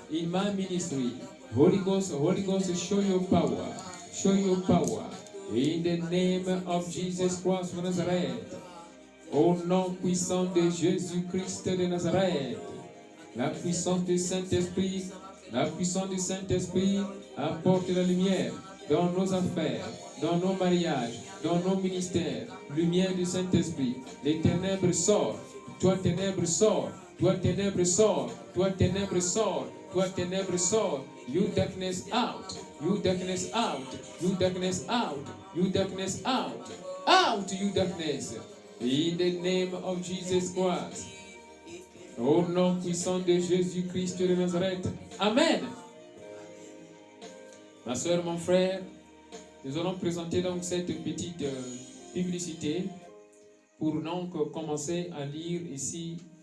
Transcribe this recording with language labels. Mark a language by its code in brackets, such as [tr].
[en] In my ministry, Holy Ghost, show your power. Show your power. In the name of Jesus Christ of Nazareth, [fr] au nom puissant de Jésus Christ de Nazareth, la puissance du Saint-Esprit, la puissance du Saint-Esprit apporte la lumière dans nos affaires, dans nos mariages, dans nos ministères. Lumière du Saint-Esprit, les ténèbres sortent, toi ténèbres sortent. Toi ténèbres sort, toi ténèbres sort, toi ténèbres sort. [en] You darkness out, you darkness out, you darkness out, you darkness out, out you darkness. In the name of Jesus Christ. [fr] Au nom puissant de Jésus Christ de Nazareth. Amen. Ma soeur, mon frère, nous allons présenter donc cette petite publicité pour donc commencer à lire ici.